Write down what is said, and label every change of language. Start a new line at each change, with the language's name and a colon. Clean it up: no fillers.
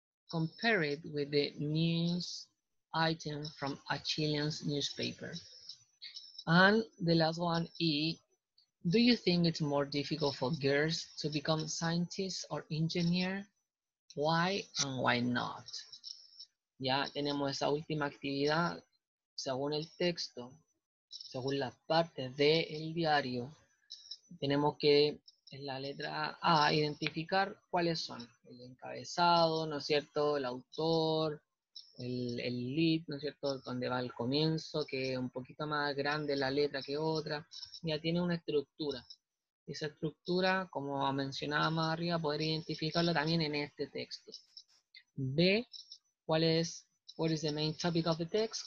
English: Compare it with the news item from a Chilean newspaper. And the last one, E, do you think it's more difficult for girls to become scientists or engineers? Why and why not?
Spanish: Ya tenemos esa última actividad según el texto, según las partes del diario. Tenemos que en la letra A identificar cuáles son el encabezado, ¿no es cierto? El autor, el lead, ¿no es cierto?, donde va el comienzo, que es un poquito más grande la letra que otra, ya tiene una estructura. Esa estructura, como mencionaba más arriba, poder identificarla también en este texto.
English: B, what is the main topic of the text?